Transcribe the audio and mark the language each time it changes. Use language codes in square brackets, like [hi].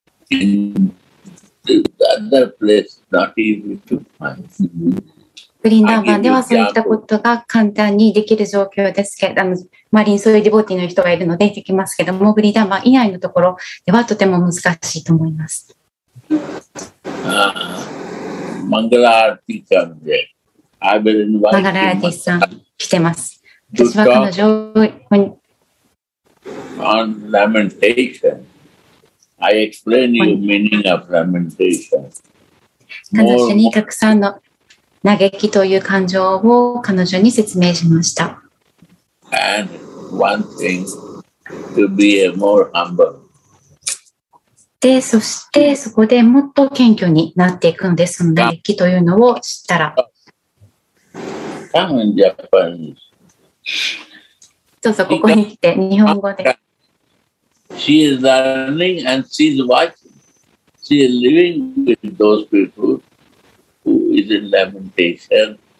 [en] In the other place, not easy to find. [ja] ブリンダーバンではそういったことが簡単にできる状況ですけど、マリン、そういうディボーティーの人がいるのでできますけども、ブリンダーバン以外のところではとても難しいと思います。マングラアーティさんで、マングラアーティさん来てます。私は彼女を、 [en] On lamentation. I explain you meaning of lamentation. [ja] 彼女にたくさんの嘆きという感情を彼女に説明しました。 [en] And one thing, to be a more humble. [ja] で、そしてそこでもっと謙虚になっていくのです。その嘆きというのを知ったら。 [en] Come in Japanese. [ja] どうぞここに来て、日本語で。 [en] She is learning and she is watching. She is living with those people who is in lamentation.